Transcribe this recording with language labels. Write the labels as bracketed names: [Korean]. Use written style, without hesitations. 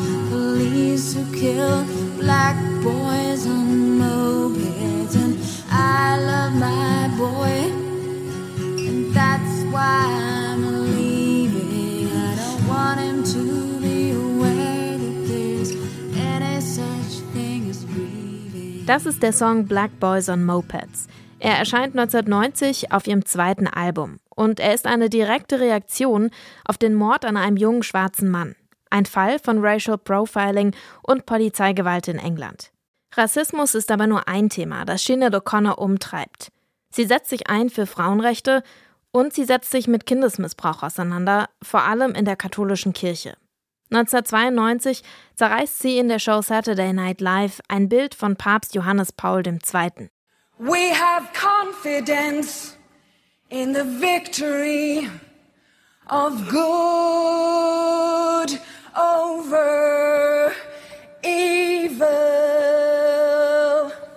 [English] Police who kill black boys on mopeds, and I love my boy, and that's why I'm leaving. I don't want him to be aware that there's any such thing as grieving. [German] Das ist der Song Black Boys on Mopeds. Er erscheint 1990 auf ihrem zweiten Album und er ist eine direkte Reaktion auf den Mord an einem jungen schwarzen Mann. Ein Fall von Racial Profiling und Polizeigewalt in England. Rassismus ist aber nur ein Thema, das Sinéad O'Connor umtreibt. Sie setzt sich ein für Frauenrechte und sie setzt sich mit Kindesmissbrauch auseinander, vor allem in der katholischen Kirche. 1992 zerreißt sie in der Show Saturday Night Live ein Bild von Papst Johannes Paul II. [English] We have confidence in the victory of good over evil.